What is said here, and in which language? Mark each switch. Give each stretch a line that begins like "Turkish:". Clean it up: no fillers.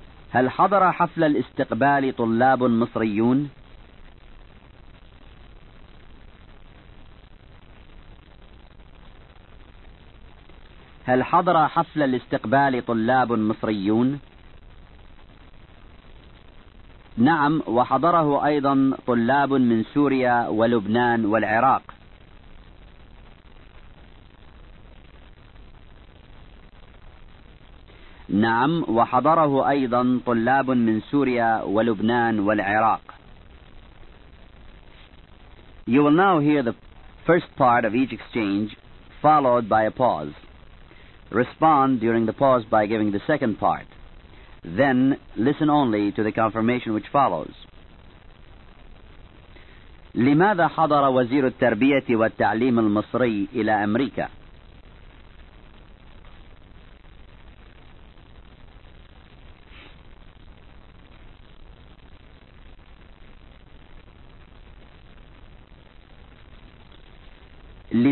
Arabic: هل حضر حفل الاستقبال طلاب مصريون؟ هل حضر حفل الاستقبال طلاب مصريون؟ نعم، وحضره أيضا طلاب من سوريا ولبنان والعراق. نعم، وحضره أيضا طلاب من سوريا ولبنان والعراق.
English: You will now hear the first part of each exchange, followed by a pause. Respond during the pause by giving the second part. Then listen only to the confirmation which follows.
Arabic: لماذا حضر وزير التربية والتعليم المصري إلى أمريكا؟ لماذا